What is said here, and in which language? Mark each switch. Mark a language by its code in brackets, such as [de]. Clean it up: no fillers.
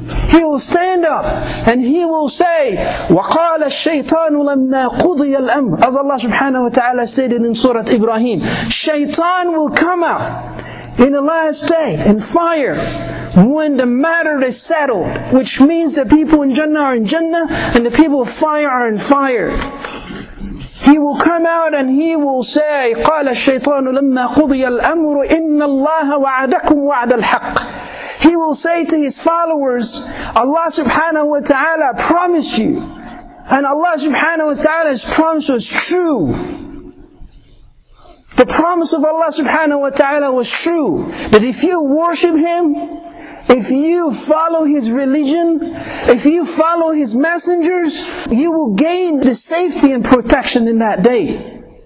[en] He will stand up and he will say, [ar] وَقَالَ الشَّيْطَانُ لَمَّا قُضِيَ الْأَمْرُ. [en] As Allah subhanahu wa ta'ala stated in Surah Ibrahim, shaitan will come out in the last day in fire when the matter is settled, which means the people in Jannah are in Jannah and the people of fire are in fire. He will come out and he will say, [ar] قَالَ الشَّيْطَانُ لَمَّا قُضِيَ الْأَمْرُ إِنَّ اللَّهَ وَعَدَكُمْ وَعَدَ الْحَقِّ. [en] He will say to his followers, Allah subhanahu wa ta'ala promised you, and Allah subhanahu wa ta'ala's promise was true. The promise of Allah subhanahu wa ta'ala was true, that if you worship Him, if you follow His religion, if you follow His messengers, you will gain the safety and protection in that day.